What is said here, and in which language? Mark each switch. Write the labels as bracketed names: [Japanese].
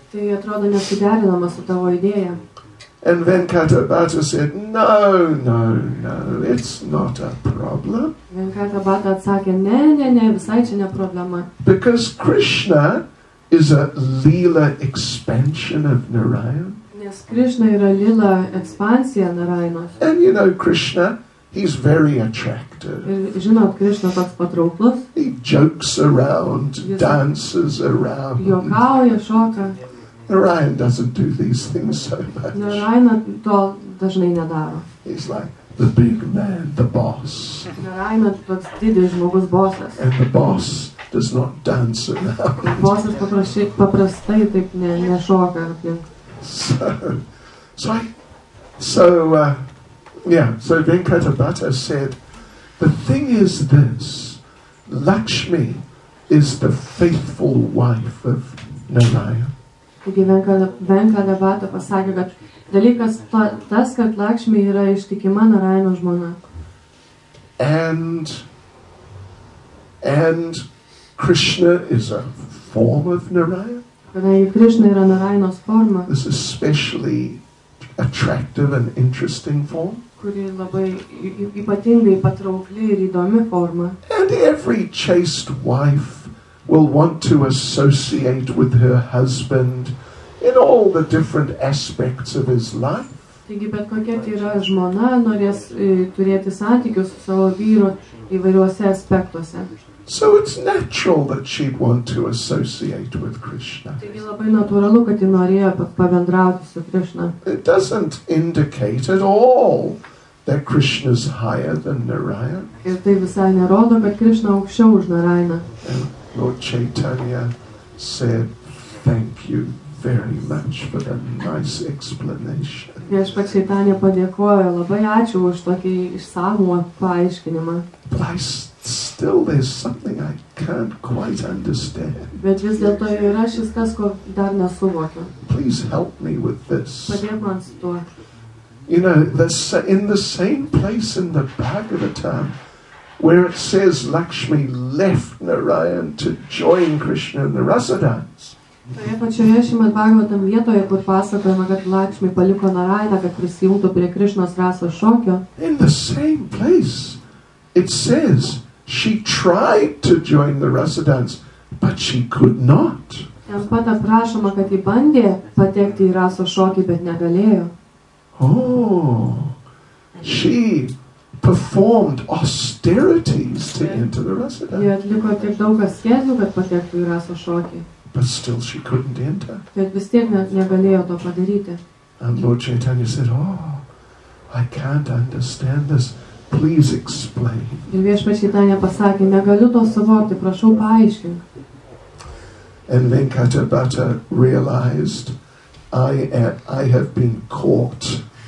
[Lithuanian] Tai atrodo nesuderinama su tavo idėja. [English] And Venkata Bhatta said, no, no, no, it's not a problem. [Lithuanian] Venkata Bhatta atsakė, ne, ne, ne, visai čia ne problema. [English] Because Krishna is a lila expansion of Narayana. [Lithuanian] Nes Krishna yra lila ekspansija Narayanos. [English] And you know Krishna, he's very attractive. [Lithuanian] Ir žinot, Krishna toks patrauklus. [English] He jokes around, dances around. [Lithuanian] Jokauja, šoka. [English] Narayana doesn't do these things so much. [Lithuanian] Narayana to dažnai nedaro. [English] He's like the big man, the boss. [Lithuanian] Narayana toks didis žmogus, bosas. [English] And the boss does not dance around. [Lithuanian] Bosas paprastai taip nešoka. [English] So Venkata Bhatta said, the thing is this, Lakshmi is the faithful wife of Narayana. [Lithuanian] Taigi Venkata Bhatta pasakė, kad dalykas tas, kad Lakshmi yra ištikima Narayano žmona. [English] And Krishna is a form of Narayana. [Lithuanian] Kadangi Krishna yra Narayanos forma. [English] This is especially attractive and interesting form. [Lithuanian] Kuri labai ypatingai patraukli ir įdomi forma. [English] And every chaste wife will want to associate with her husband in all the different aspects of his life. [Lithuanian] Taigi bet kokia tai yra žmona norės turėti santykius su savo vyru įvairiuose aspektuose. [English] So it's natural that she'd want to associate with Krishna. [Lithuanian] Taigi labai natūralu, kad ji norėjo pabendrauti su Krishna. [English] It doesn't indicate at all that Krishna's higher than Narayana. [Lithuanian] Ir tai visai nerodo, kad Krishna aukščiau už Narayana. [English] Lord Chaitanya said, thank you very much for the nice explanation. [Lithuanian] Viešpats Chaitanya padėkojo, labai ačiū už tokį išsamų paaiškinimą. [English] But still there's something I can't quite understand. [Lithuanian] Bet vis dėlto yra šis kas, ko dar nesuvokiu. [English] Please help me with this. [Lithuanian] Padėk man su tuo. [English] You know, in the same place in the Bhagavatam, where it says Lakshmi left Narayan to join Krishna in the rasa dance. [Lithuanian] Pačioje Šrimad Bhagavatam vietoje, kur pasakojama, kad Lakshmi paliko Narayaną, kad prisijungtų prie Krishnos rasa šokio. [English] In the same place, it says she tried to join the rasa dance, but she could not. [Lithuanian] Ten pat aprašoma, kad ji bandė patekti į rasa šokį, bet negalėjo. [English] Oh, she performed austerities to enter the rasa dance. [Lithuanian] Ji atliko tiek daug askezių, kad patektų į rasa šokį. [English] But still she couldn't enter. [Lithuanian] Bet vis tiek negalėjo to padaryti. [English] And Lord Chaitanya said, oh, I can't understand this. Please explain. [Lithuanian] Ir Viešpats Chaitanya pasakė, negaliu to suvokti, prašau paaiškink. [English] And Venkata Bhatta realized, I have been caught.